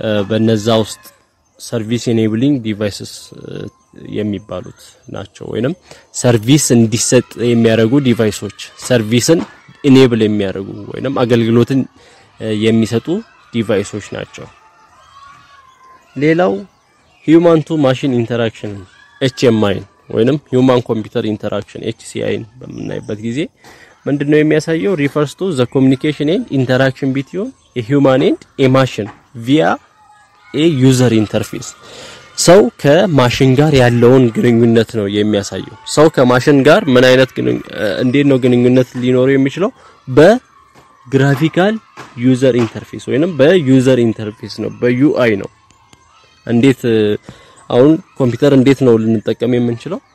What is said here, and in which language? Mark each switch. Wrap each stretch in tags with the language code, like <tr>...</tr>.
<am>በነዛ ውስጥ ሰርቪስ ኢኔብሊንግ ዲቫይሰስ የሚባሉት ናቸው። ወይንም ሰርቪስ እንዲሰጥ የሚያደርጉ ዲቫይሶች ሰርቪስን ኢኔብል የሚያደርጉ ወይንም አገልግሎትን የሚሰጡ ዲቫይሶች ናቸው። ሌላው Human to Machine Interaction HMI ወይንም Human Computer Interaction HCI በምናይበት ጊዜ ምንድነው የሚያሳየው?</am> <en>Refers to the communication and interaction between a human and a machine via a user interface.</en> <am>ሰው ከማሽን ጋር ያለውን ግንኙነት ነው የሚያሳየው። ሰው ከማሽን ጋር ምን አይነት እንዴት ነው ግንኙነት ሊኖረው የሚችለው? በግራፊካል ዩዘር ኢንተርፌስ ወይንም በዩዘር ኢንተርፌስ ነው፣ በዩአይ ነው። እንዴት አሁን ኮምፒውተር እንዴት ነው ልንጠቀም የምንችለው?</am>